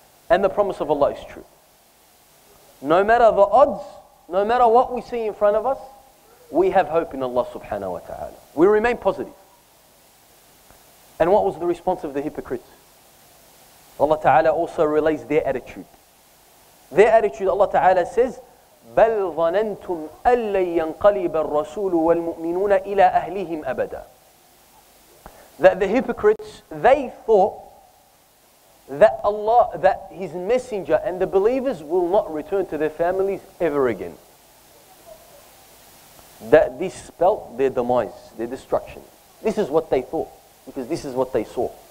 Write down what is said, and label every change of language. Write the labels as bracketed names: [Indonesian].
[English] And the promise of Allah is true. No matter the odds, no matter what we see in front of us, we have hope in Allah subhanahu wa ta'ala. We remain positive. And what was the response of the hypocrites? Allah ta'ala also relays their attitude. Their attitude, Allah ta'ala says, [Arabic] بَلْ ظَنَنْتُمْ أَلَّن يَنْقَلِبَ الرَّسُولُ وَالْمُؤْمِنُونَ إِلَىٰ أَهْلِهِمْ أَبَدًا. [English] That the hypocrites, they thought that Allah, that His Messenger and the believers will not return to their families ever again. That this spelt their demise, their destruction. This is what they thought, because this is what they saw.